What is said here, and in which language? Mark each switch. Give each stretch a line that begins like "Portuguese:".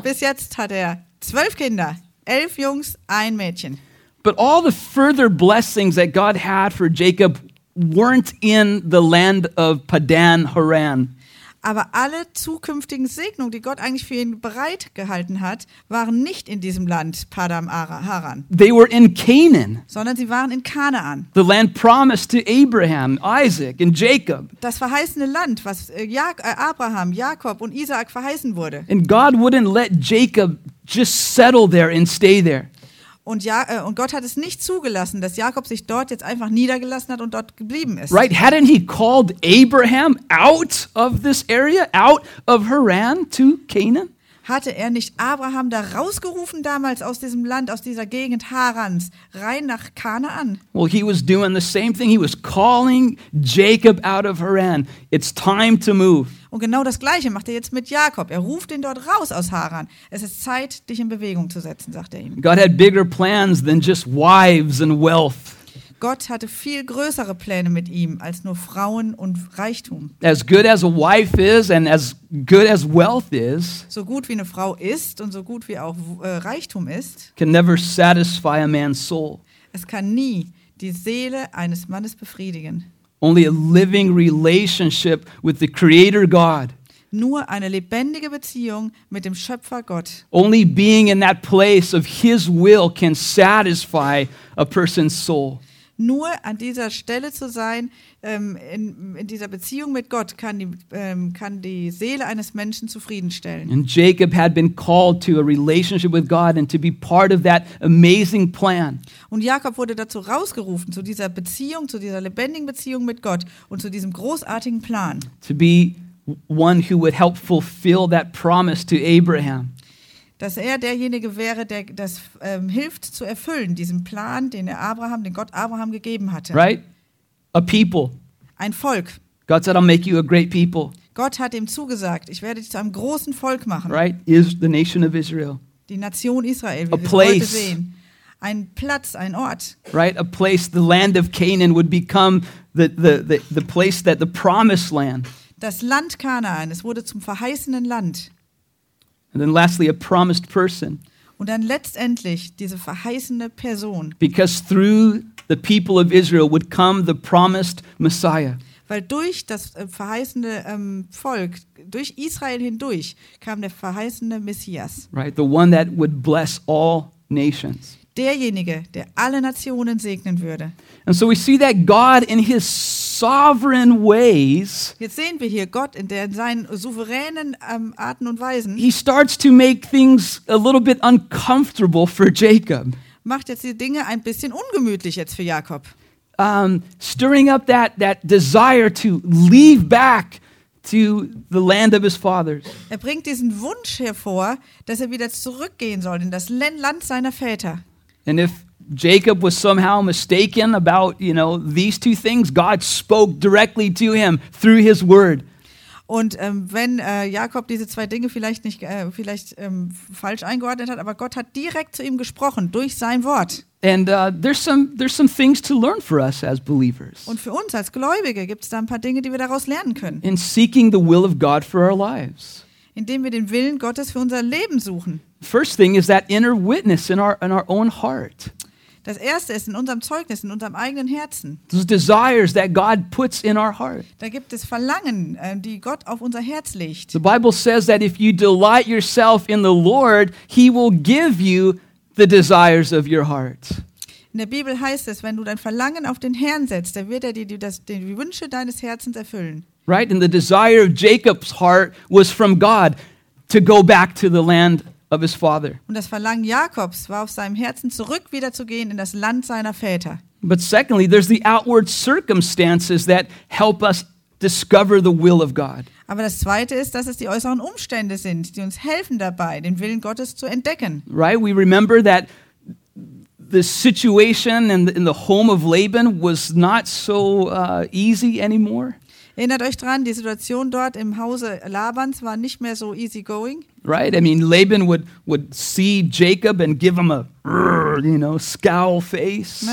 German: Bis jetzt hat 12 Kinder, 11 Jungs, ein Mädchen.
English: But all the further blessings that God had for Jacob weren't in the land of Padan Haran.
German: Aber alle zukünftigen Segnungen, die Gott eigentlich für ihn bereit gehalten hat, waren nicht in diesem Land Padan Haran.
English: They were in Canaan.
German: Sondern sie waren in Kanaan.
English: The land promised to Abraham, Isaac and Jacob.
German: Das verheißene Land, was Abraham, Jakob und Isaak verheißen wurde.
English: And God wouldn't let Jacob just settle there and stay there.
German: Und Gott hat es nicht zugelassen, dass Jakob sich dort jetzt einfach niedergelassen hat und dort geblieben ist.
English: Right? Hadn't he called Abraham out of this area, out of Haran to Canaan?
German: Hatte er nicht Abraham da rausgerufen damals aus diesem Land, aus dieser Gegend Harans, rein nach Kanaan?
English: Well, he was doing the same thing. He was calling Jacob out of Haran. It's time to move.
German: Und genau das Gleiche macht er jetzt mit Jakob. Er ruft ihn dort raus aus Haran. Es ist Zeit, dich in Bewegung zu setzen, sagt er ihm.
English: God had bigger plans than just wives and wealth.
German: Gott hatte viel größere Pläne mit ihm als nur Frauen und Reichtum.
English: As good as a wife is and as good as wealth is.
German: So gut wie eine Frau ist und so gut wie auch Reichtum ist.
English: Can never satisfy a man's soul.
German: Es kann nie die Seele eines Mannes befriedigen.
English: Only a living relationship with the Creator God.
German: Nur eine lebendige Beziehung mit dem Schöpfer Gott.
English: Only being in that place of his will can satisfy a person's soul.
German: Nur an dieser Stelle zu sein, in dieser Beziehung mit Gott, kann die Seele eines Menschen zufriedenstellen.
English: And Jacob had been called to a relationship with God and to be part of that amazing plan.
German: Und Jakob wurde dazu rausgerufen, zu dieser Beziehung, zu dieser lebendigen Beziehung mit Gott und zu diesem großartigen Plan.
English: To be one who would help fulfill that promise to Abraham.
German: Dass er derjenige wäre, der das hilft zu erfüllen, diesen Plan, den er Abraham, den Gott Abraham gegeben hatte.
English: Right? A people.
German: Ein Volk.
English: God said, I'll make you a great people.
German: Gott hat ihm zugesagt, ich werde dich zu einem großen Volk machen.
English: Right? Is the nation of Israel.
German: Die Nation Israel, wie
English: a
German: wir place. Heute sehen. Ein Platz, ein Ort.
English: Right? A place, the land of Canaan would become the place that the promised land.
German: Das Land Kanaan, es wurde zum verheißenen Land.
English: And then lastly, a promised person.
German: Und dann letztendlich diese verheißene Person.
English: Because through the people of Israel would come the promised Messiah.
German: Weil durch das verheißene Volk, durch Israel hindurch, kam der verheißene Messias.
English: Right, the one that would bless all nations.
German: Derjenige, der alle Nationen segnen würde.
English: And so we see that God in his sovereign ways.
German: Jetzt sehen wir hier Gott in seinen souveränen Arten und Weisen.
English: He starts to make things a little bit uncomfortable for Jacob.
German: Macht jetzt die Dinge ein bisschen ungemütlich jetzt für Jakob.
English: Stirring up that desire to leave back to the land of his fathers.
German: Er bringt diesen Wunsch hervor, dass er wieder zurückgehen soll in das Land seiner Väter.
English: And if Jacob was somehow mistaken about, you know, these two things, God spoke directly to him through his word.
German: Und wenn Jakob diese zwei Dinge vielleicht nicht falsch eingeordnet hat, aber Gott hat direkt zu ihm gesprochen durch sein Wort.
English: And there's some things to learn for us as believers.
German: Und für uns als Gläubige gibt's da ein paar Dinge, die wir daraus lernen können.
English: In seeking the will of God for our lives.
German: Indem wir den Willen Gottes für unser Leben suchen.
English: First thing is that inner witness in our own heart.
German: Das erste ist in unserem Zeugnis, in unserem eigenen Herzen.
English: Those desires that God puts in our heart.
German: Da gibt es Verlangen, die Gott auf unser Herz legt.
English: The Bible says that if you delight yourself in the Lord, he will give you the desires of your heart.
German: In der Bibel heißt es, wenn du dein Verlangen auf den Herrn setzt, dann wird er dir die Wünsche deines Herzens erfüllen.
English: Right, and the desire of Jacob's heart was from God to go back to the land of his father.
German: Und das Verlangen Jakobs war auf seinem Herzen zurück wieder zu gehen in das Land seiner Väter.
English: But secondly, there's the outward circumstances that help us discover the will of God.
German: Aber das zweite ist, dass es die äußeren Umstände sind, die uns helfen dabei, den Willen Gottes zu entdecken.
English: Right, we remember that the situation in the home of Laban was not so easy anymore.
German: Erinnert euch dran, die Situation dort im Hause Labans war nicht mehr so
English: easy going. Right, I mean Laban would see Jacob and give him a, you know, scowl face.